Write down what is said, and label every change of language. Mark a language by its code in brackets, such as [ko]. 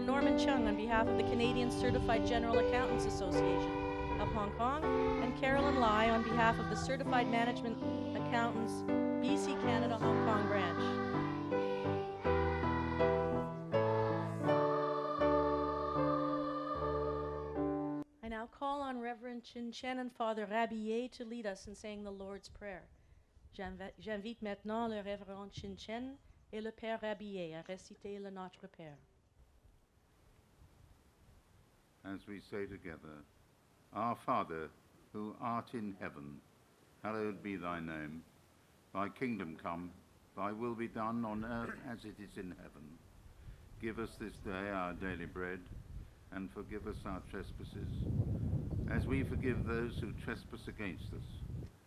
[en] Norman Chung on behalf of the Canadian Certified General Accountants Association of Hong Kong, and Carolyn Lai on behalf of the Certified Management Accountants BC Canada Hong Kong Branch. I now call on Reverend Chin Chen and Father Rabier to lead us in saying the Lord's Prayer. [fr] J'invite maintenant le Reverend Chin Chen et le Père Rabier à réciter le Notre Père. [en] As we say together, Our Father, who art in heaven, hallowed be thy name. Thy kingdom come, thy will be done on earth as it is in heaven. Give us this day our daily bread, and forgive us our trespasses, as we forgive those who trespass against us.